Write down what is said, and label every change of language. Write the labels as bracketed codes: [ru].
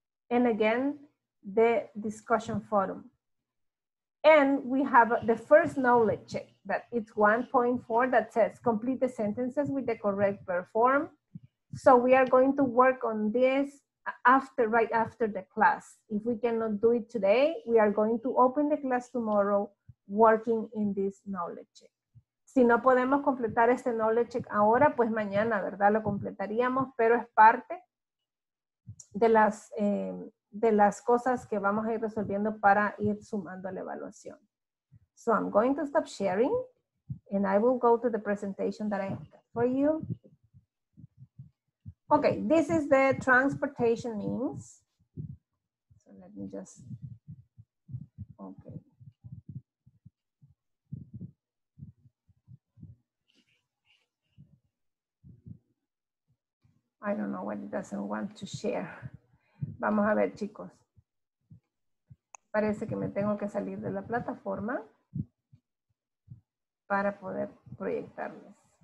[en] And again, the discussion forum. And we have the first knowledge check, that it's 1.4 that says complete the sentences with the correct verb form. So we are going to work on this after, right after the class. If we cannot do it today, we are going to open the class tomorrow working in this knowledge check. [es] Si no podemos completar este knowledge check ahora, pues mañana, ¿verdad? Lo completaríamos, pero es parte de las cosas que vamos a ir resolviendo para ir sumando la evaluación. [en] So I'm going to stop sharing and I will go to the presentation that I have for you. Okay, this is the transportation means. So let me just, okay. I don't know what it doesn't want to share. [es] Vamos a ver, chicos. Parece que me tengo que salir de la plataforma para poder proyectarles.